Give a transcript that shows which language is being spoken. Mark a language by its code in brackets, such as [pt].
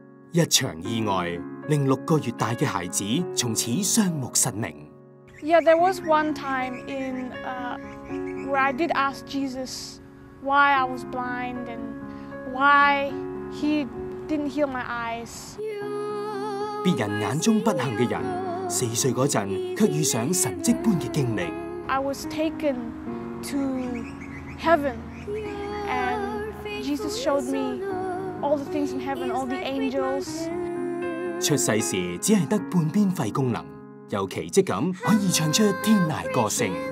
[yue] 一场意外令六个月大的孩子从此双目失明。 [en] Yeah, there was one time in where I did ask Jesus why I was blind and why he didn't heal my eyes. [yue] 别人眼中不幸的人，四岁嗰阵却遇上神迹般的经历。 [en] I was taken to heaven, and Jesus showed me all the things in heaven, all the angels. [yue] 出世时只系得半边肺功能。又奇蹟咁可以唱出天籁歌声。